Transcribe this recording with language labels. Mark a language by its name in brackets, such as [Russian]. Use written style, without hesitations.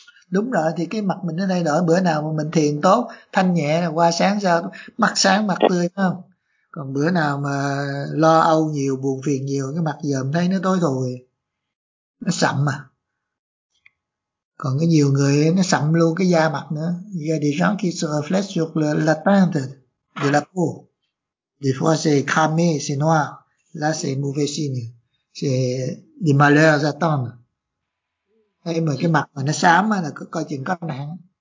[Vietnamese] Đúng rồi, thì cái mặt mình nó thay đổi, bữa nào mà mình thiền tốt thanh nhẹ là qua sáng sao mặt sáng mặt tươi không, còn bữa nào mà lo âu nhiều buồn phiền nhiều cái mặt dòm thấy nó tối thùi, nó sậm mà. Còn có nhiều người nó sậm luôn cái da mặt nữa. [French] Il y a des gens qui se reflètent sur la teinte de la peau. Des fois c'est cramé, c'est noir. Là c'est mauvais signe. C'est des malheurs à attendre. [Vietnamese] Hay mà cái mặt mà nó xám là coi chừng có nạn.